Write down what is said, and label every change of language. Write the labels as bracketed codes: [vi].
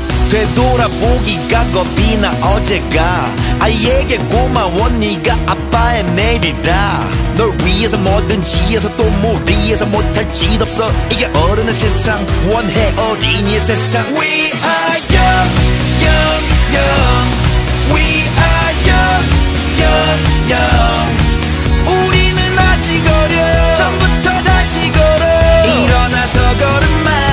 [ko] 되돌아보기가 겁이 나 어제가 아이에게 고마워 네가 아빠의 내일이라. 널 위해서 뭐든지 해서 또 무리해서 못할 짓 없어. 이게 어른의 세상 원해 어린이의 세상. [en] We are young young young. We are young young young. [ko] 우리는 아직 어려 전부터 다시 걸어 일어나서 걸음